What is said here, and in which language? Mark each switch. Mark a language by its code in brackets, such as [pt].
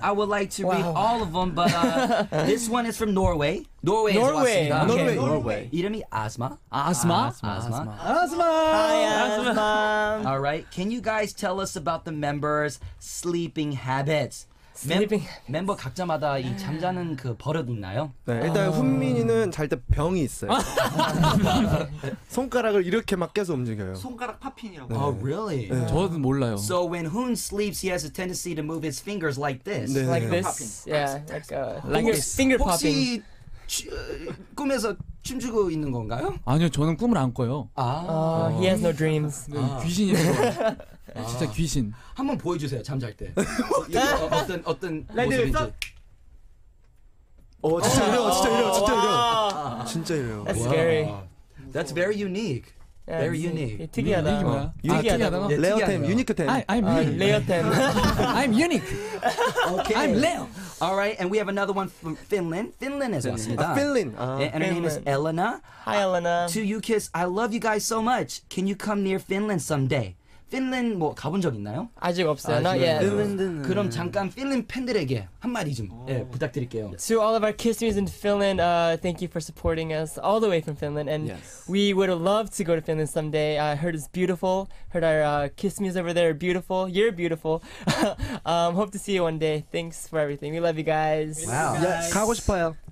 [en] I would like to read all of them, but this one is from Norway. Norway. [ko] 이름이 아스마. 아스마. 아스마. 아스마. [en] Hi, 아스마. All right. Can you guys tell us about the members' sleeping habits? Sleeping. [ko] 멤버 각자마다 이 잠자는 그 버릇 있나요? 네, 일단 훈민이는 잘 때 병이 있어요. 손가락을 이렇게 막 계속 움직여요. 손가락 파핀이라고. 네. [en] Oh, really? [ko] 네. 저도 몰라요. [en] So when Hoon sleeps, he has a tendency to move his fingers like this. 네. Like this. Yeah, like a finger popping. [ko] 혹시 꿈에서 춤추고 있는 건가요? 아니요, 저는 꿈을 안 꿔요. [en] He has no dreams. [ko] 네, 귀신이에요. 진짜 귀신. 한번 보여주세요 잠잘 때. 어떤 모습인지. 오 진짜 이래요, 진짜 이래요, 진짜 이래요. 진짜 이래요. [en] That's scary. That's very unique. Very unique. [ko] 특이하다. 특이하다. 레어 템, 유니크 템. [en] I'm unique. [ko] 레어 템. [en] I'm unique. Okay. I'm Leo. All right, and we have another one from Finland. Finland is awesome. Finland. And her name is Elena. Hi, Elena. To you, kiss. I love you guys so much. Can you come near Finland someday? [ko] 핀란드 뭐 가본 적 있나요? 아직 없어요. 아직 [en] not yet. [ko] 핀란드는... 그럼 잠깐 핀란드 팬들에게 한 마디 좀 예, 부탁드릴게요. [en] To all of our KISSers in Finland, thank you for supporting us all the way from Finland. And we would love to go to Finland someday. I heard it's beautiful. Heard our KISSers over there are beautiful. You're beautiful. hope to see you one day. Thanks for everything. We love you guys. Wow. [ko] Yes. 가고 싶어요.